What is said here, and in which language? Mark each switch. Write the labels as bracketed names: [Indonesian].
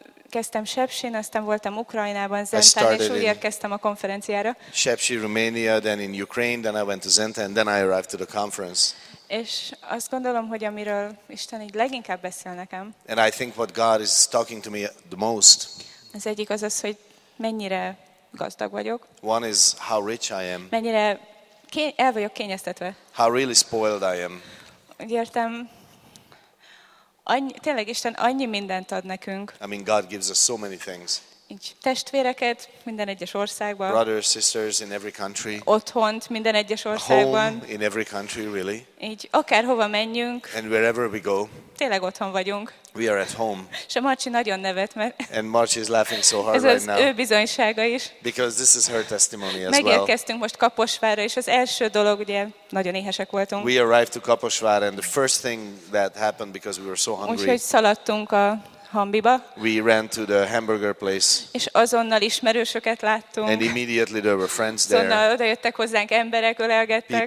[Hungarian] Kezdtem Sepsin, aztán voltam Ukrajnában, Zentán, és úgy érkeztem a konferenciára. [English] Sepsi, Romania, then in Ukraine, then I went to Zentán, and then I arrived to the conference. [Hungarian] És azt gondolom, hogy amiről Isten így leginkább beszél nekem. [English] And I think what God is talking to me the most. [Hungarian] Az egyik az, hogy mennyire gazdag vagyok. [English] One is how rich I am. [Hungarian] Mennyire el vagyok kényeztetve. [English] How really spoiled I am. [Hungarian] Értem. Tényleg Isten annyi mindent ad nekünk. [English] I mean God gives us so many things. [Hungarian] Így testvéreket minden egyes országban. [English] Brothers, sisters in every country. [Hungarian] Otthont minden egyes országban. [English] Home in every country, really. [Hungarian] Így akárhova menjünk. [English] And wherever we go. [Hungarian] Tényleg otthon vagyunk. [English] We are at home. [Hungarian] És a Marci nagyon nevet, mert [English] and March is laughing so hard [Hungarian] ez az [English] right now. [Hungarian] Ő bizonysága is. [English] Because this is her testimony as [Hungarian] megérkeztünk [English] well. [Hungarian] Most Kaposvárra, és az első dolog, ugye nagyon éhesek voltunk. [English] We arrived to Kaposvár and the first thing that happened because we were so hungry. [Hungarian] Úgyhogy szaladtunk a Hambiba. [English] We ran to the hamburger place. [Hungarian] És azonnal ismerősöket láttunk. [English] And immediately there were friends there. [Hungarian] Azonnal odajöttek hozzánk emberek, ölelgettek.